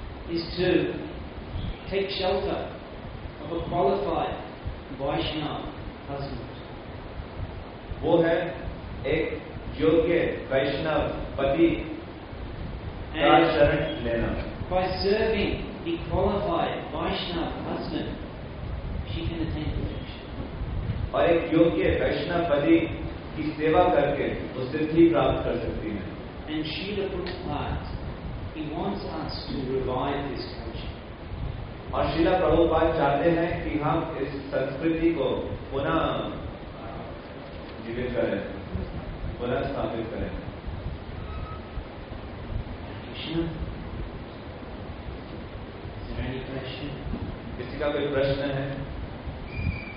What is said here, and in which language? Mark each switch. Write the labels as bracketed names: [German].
[English] is to take shelter of a qualified Vaishnava husband. [Hindi] वो है एक योग्य वैष्णव पति का शरण लेना. [English] By serving the qualified Vaishnava husband, she can attain perfection. [Hindi] और एक योग्य वैष्णव पति की सेवा करके वो सिद्धि प्राप्त कर सकती है. [English] And Srila Prabhupada, he wants us to revive this culture. [Hindi] और श्रीला प्रभुपाद चाहते हैं कि हम इस संस्कृति को पुनः जीवित करें, पुनः स्थापित करें. [English] Krishna, is there any question? [Hindi] किसी का कोई प्रश्न है?